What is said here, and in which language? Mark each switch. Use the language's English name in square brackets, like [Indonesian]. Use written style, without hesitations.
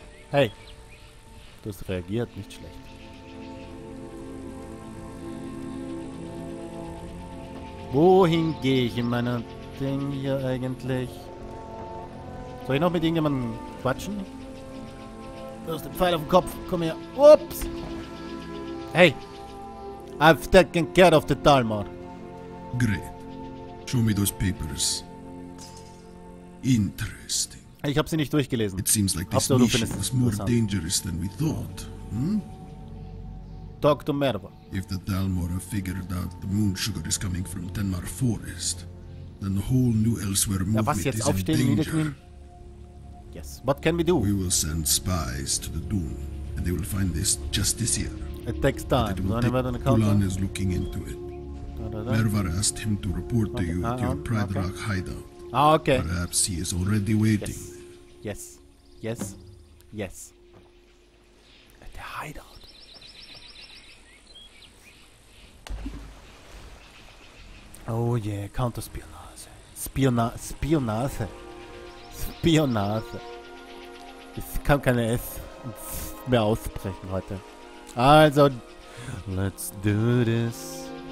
[German] Hey, du hast reagiert, nicht schlecht. Wohin gehe ich in meinem Ding hier eigentlich? Soll ich noch mit irgendjemandem quatschen? Du hast den Pfeil auf dem Kopf, komm her. Ups! [English] Hey, I've taken care of the Dalmor. Great, show me those papers. Interesting. [German] Ich habe sie nicht durchgelesen. [English] It seems like this mission was more dangerous than we thought. Talk to Merva. If the Dalmor have figured out the moon sugar is coming from Tenmar Forest, then the whole new Elsewhere movement [German] ja, was jetzt [English] is in danger. Yes. What can we do? We will send spies to the Doom, and they will find this just this year. It takes time. But it will take. Kulan is looking into it. Merva asked him to report to you at your Pride Rock hideout. Ah, okay. Perhaps he is already waiting. Yes. Yes. Yes. Yes. At the hideout. Oh yeah, counter-spionage. [German] Spionage. Spionage. Ich kann keine S mehr aussprechen heute. [English] Also, let's do this.